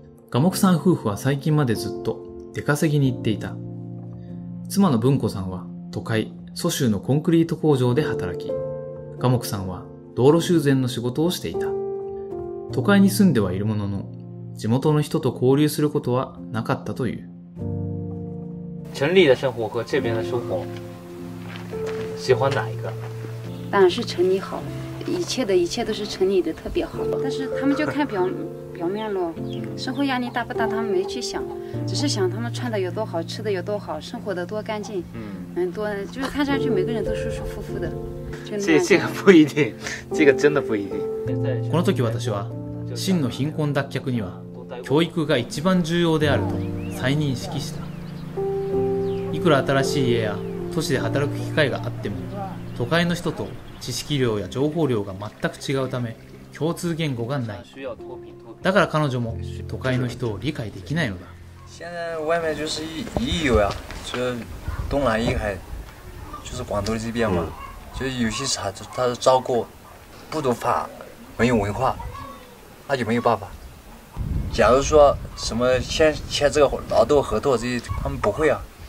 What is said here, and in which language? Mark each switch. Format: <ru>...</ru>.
<ja>賀木さん夫婦は最近までずっと出稼ぎに行っていた。妻の文子さんは都会蘇州のコンクリート工場で働き、賀木さんは道路修繕の仕事をしていた。都会に住んではいるものの、地元の人と交流することはなかったという。</ja> <zh>城里的生活和这边的生活，喜欢哪一个？当然是城里好，一切的一切都是城里的特别好。但是他们就看表面咯，生活压力大不大？他们没去想，只是想他们穿的有多好，吃的有多好，生活的多干净。多就是看上去每个人都舒舒服服的。这个不一定，这个真的不一定。</zh> <ja>この時私は。真の貧困脱却には教育が一番重要であると再認識した。いくら新しい家や都市で働く機会があっても、都会の人と知識量や情報量が全く違うため共通言語がない。だから彼女も都会の人を理解できないのだ。</ja> <zh>现在外面就是一有呀，就东南一海，就是广东这边嘛，就有些啥就他是照顾不读法，没有文化，他就没有办法。假如说什么先签这个劳动合同，这些他们不会啊。</zh>